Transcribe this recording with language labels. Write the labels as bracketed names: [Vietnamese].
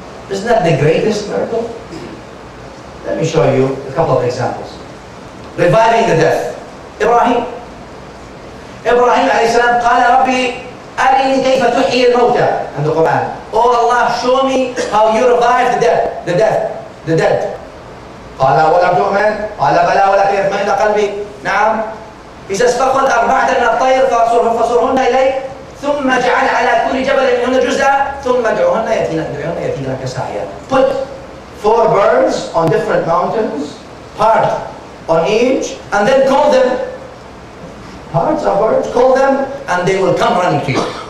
[English] Isn't that the greatest miracle? Let me show you a couple of examples. Reviving the death. [Arabic] Ibrahim alayhi salam, قَالَ رَبِّي أَرِنِي كَيْفَ تُحْيِي الْمَوْتَى [English] And the Quran. Oh Allah, show me how you revive the dead. [Arabic] قال أولم تؤمن قال بلى ولكن يطمئن قلبي نعم. [English] He says [Arabic] فخذ أربعة من الطير فصرهن إليك ثم اجعل على كل جبل منهن جزءا ثم ادعهن يأتينك سعيا. [English] Put four birds on different mountains, part on each, and then call them. Parts of birds, call them, and they will come running to you.